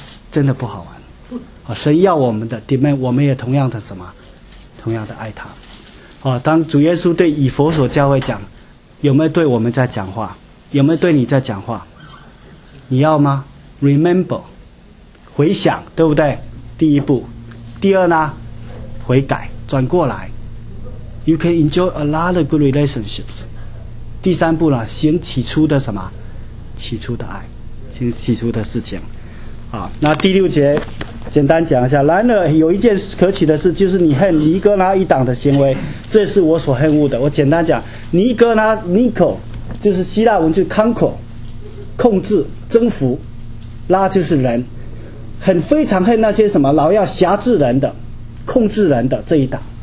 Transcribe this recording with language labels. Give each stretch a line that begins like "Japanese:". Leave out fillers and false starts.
Chinese: 真的不好玩。神要我们的 demand， 我们也同样的什么同样的爱他。当主耶稣对以弗所教会讲，有没有对我们在讲话？有没有对你在讲话？你要吗？ remember 回想，对不对？第一步。第二呢，悔改转过来。
English: You can enjoy a lot of good relationships.
Chinese: 第三步呢，行起初的什么？起初的爱，行起初的事情。那第六节，简单讲一下。然而有一件可耻的事，就是你恨尼哥拉一党的行为，这是我所恨恶的。我简单讲，尼哥拉 Nico 就是希腊文，就是 conquer， 控制、征服；拉就是人，很非常恨那些什么老要辖制人的、控制人的这一党。